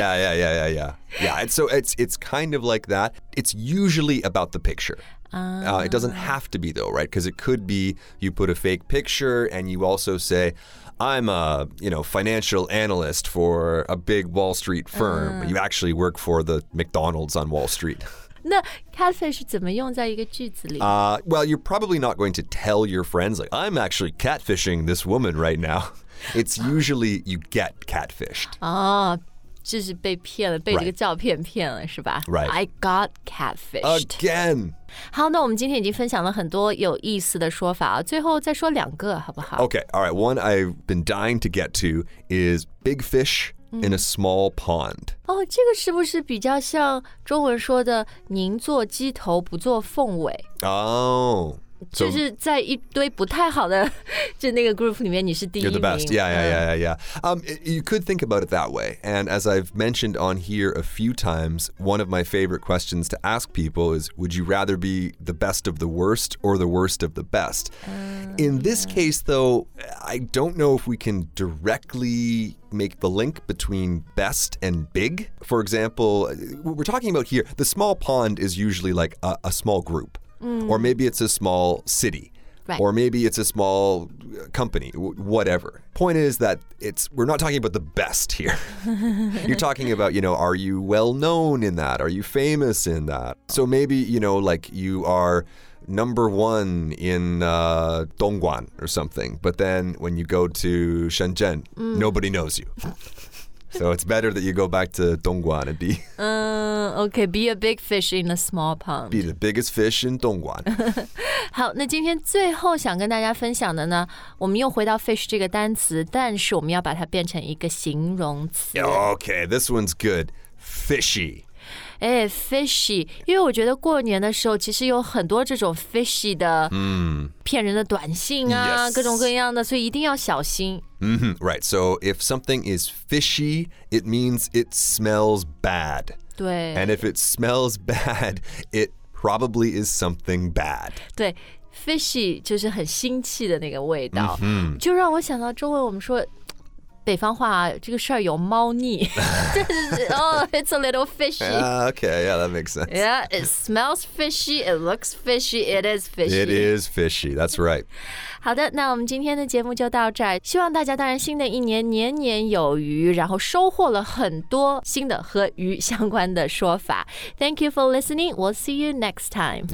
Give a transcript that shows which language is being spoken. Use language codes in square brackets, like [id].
[en] Yeah. And so it's kind of like that. It's usually about the picture. It doesn't have to be though, right? Because it could be you put a fake picture and you also say. I'm a, you know, financial analyst for a big Wall Street firm. You actually work for the McDonald's on Wall Street. [zh] 那 catfish 怎么用在一个句子里？ [en] Well, you're probably not going to tell your friends, like, I'm actually catfishing this woman right now. It's usually you get catfished. [zh] 就是被骗了，被这个照片骗了，是吧？ [en] Right. I got catfished. Again. [zh] 好，那我们今天已经分享了很多有意思的说法，最后再说两个，好不好？ [en] Okay, all right. One I've been dying to get to is big fish in a small pond. [zh] 这个是不是比较像中文说的宁做鸡头不做凤尾？ [en] Oh. [zh] 就是在一堆不太好的，就那个 group 里面你是第一名。 [en] You're the best. Yeah. You could think about it that way. And as I've mentioned on here a few times, one of my favorite questions to ask people is, would you rather be the best of the worst or the worst of the best? In this case, though, I don't know if we can directly make the link between best and big. For example, what we're talking about here, the small pond is usually like a small group. Or maybe it's a small city. Right. Or maybe it's a small company, whatever. Point is that we're not talking about the best here. You're talking about, you know, are you well known in that? Are you famous in that? So maybe, you know, like you are number one in Dongguan or something. But then when you go to Shenzhen, nobody knows you. So it's better that you go back to Dongguan and be... Okay, be a big fish in a small pond. Be the biggest fish in Dongguan. [zh] 好，那今天最后想跟大家分享的呢，我们又回到 fish 这个单词，但是我们要把它变成一个形容词。 [en] Okay, this one's good. Fishy. [zh] Fishy, 因为我觉得过年的时候其实有很多这种 fishy 的骗人的短信啊、 [en] yes. [zh] 各种各样的所以一定要小心、 [en] mm-hmm. Right, so if something is fishy, it means it smells bad. [zh] 对 [en] And if it smells bad, it probably is something bad. [zh] 对 fishy 就是很腥气的那个味道、 [en] mm-hmm. [zh] 就让我想到中文我们说北方话这个事儿有猫腻 [en] oh, it's a little fishy. Yeah, that makes sense. Yeah, it smells fishy, it looks fishy, it is fishy. It is fishy, that's right. [zh] 好的，那我们今天的节目就到这儿。希望大家当然新的一年年年有余，然后收获了很多新的和鱼相关的说法。 [en] Thank you for listening, we'll see you next time.